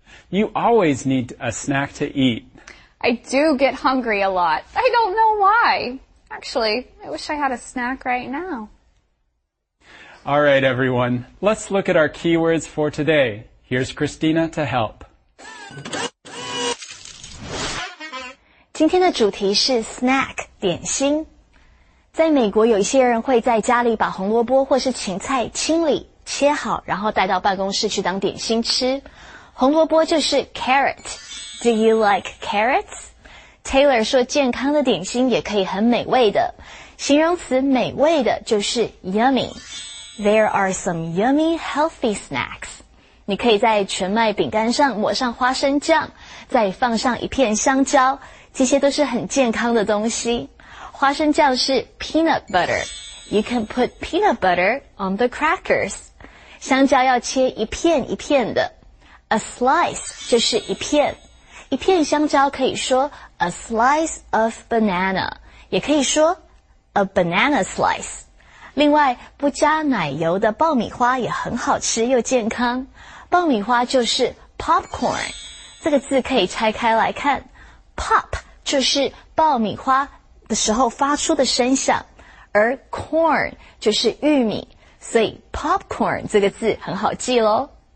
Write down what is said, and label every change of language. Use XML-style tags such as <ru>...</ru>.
<en>You always need a snack to eat. I do get hungry a lot. I don't know why. Actually, I wish I had a snack right now. All right, everyone, let's look at our keywords for today. Here's Christina to help.</en> <zh>今天的主题是 snack, 点心。在美国有一些人会在家里把红萝卜或是芹菜清理、切好然后带到办公室去当点心吃。红萝卜就是 carrot.</zh> <en>Do you like carrots?</en> <zh>Taylor 说健康的点心也可以很美味的。形容词美味的就是 yummy.</zh> <en>There are some yummy healthy snacks.</en> <zh>你可以在全麦饼干上抹上花生酱，再放上一片香蕉，这些都是很健康的东西。花生酱是</zh> <en>peanut butter. You can put peanut butter on the crackers.</en> <zh>香蕉要切一片一片的。 A slice 就是一片。 一片香蕉可以说</zh> <en>a slice of banana.</en> <zh>也可以说</zh> <en>a banana slice.</en> <zh>另外不加奶油的爆米花也很好吃又健康。爆米花就是 popcorn, 这个字可以拆开来看。 pop 就是爆米花的时候发出的声响。而 corn 就是玉米。所以 popcorn 这个字很好记咯。</zh>